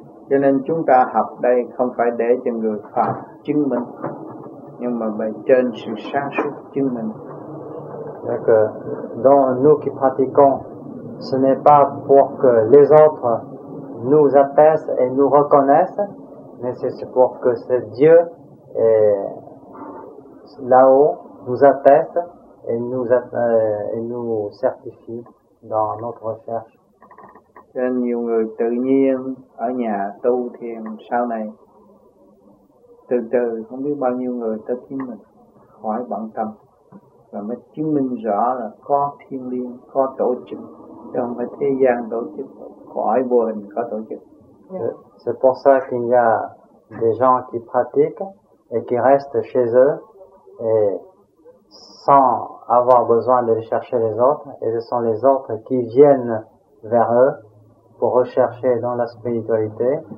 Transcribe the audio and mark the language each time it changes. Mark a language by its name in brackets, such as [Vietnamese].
[Vietnamese] Cho nên chúng ta học đây không phải để cho người phàm chứng minh, nhưng mà bề trên sự sáng suốt chứng minh. [French] Donc, dans nous qui pratiquons, ce n'est pas pour que les autres nous attestent et nous reconnaissent, mais c'est pour que ce Dieu est là-haut nous atteste et nous certifie dans notre recherche. [Vietnamese] Nên nhiều người tự nhiên ở nhà tu thiền sau này, từ từ không biết bao nhiêu người tới kiếm mình khỏi bận tâm. Và mới chứng minh rõ là có thiên liên, có tổ chức, trong cái thế gian tổ chức, có ai vô hình có tổ chức. [French] C'est pour ça qu'il y a des gens qui pratiquent et qui restent chez eux et sans avoir besoin de chercher les autres. Et ce sont les autres qui viennent vers eux pour rechercher dans la spiritualité.